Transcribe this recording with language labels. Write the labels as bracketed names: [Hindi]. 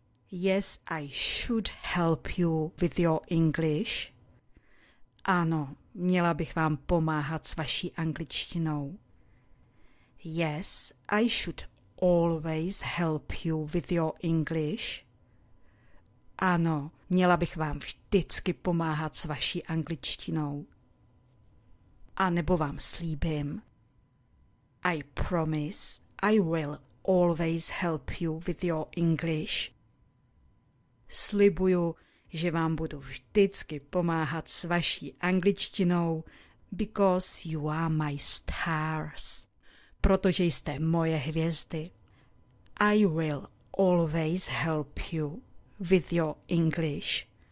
[English] Yes, I should help you with your English. [Czech] Ano, měla bych vám pomáhat s vaší angličtinou. [English] Yes, I should always help you with your English. [Czech] Ano, měla bych vám vždycky pomáhat s vaší angličtinou. A nebo vám slíbím. [English] I promise I will always help you with your English. [Czech] Slibuju, že vám budu vždycky pomáhat s vaší angličtinou, [English] because you are my stars. [Czech] Protože jste moje hvězdy. [English] I will always help you with your English.